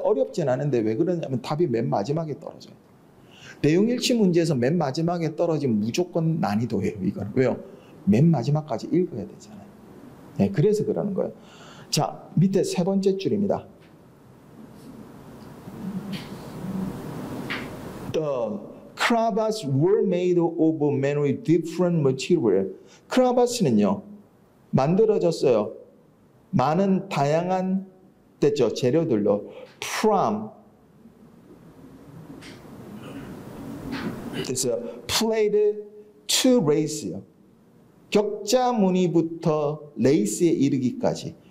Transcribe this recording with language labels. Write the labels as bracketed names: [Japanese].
[Korean] 어렵진 않은데 왜 그러냐면 답이 맨 마지막에 떨어져요. 내용 일치 문제에서 맨 마지막에 떨어지면 무조건 난이도예요. 이거는. 왜요? 맨 마지막까지 읽어야 되잖아요. 네, 그래서 그러는 거예요. 자, 밑에 세 번째 줄입니다. [English] The cravats were made of many different materials. [Korean] Cravats는요, 만들어졌어요. 많은 다양한 됐죠, 재료들로. [English] From [Korean] 됐어요. [English] Plaid to lace요. [Korean] 격자 무늬부터 레이스에 이르기까지.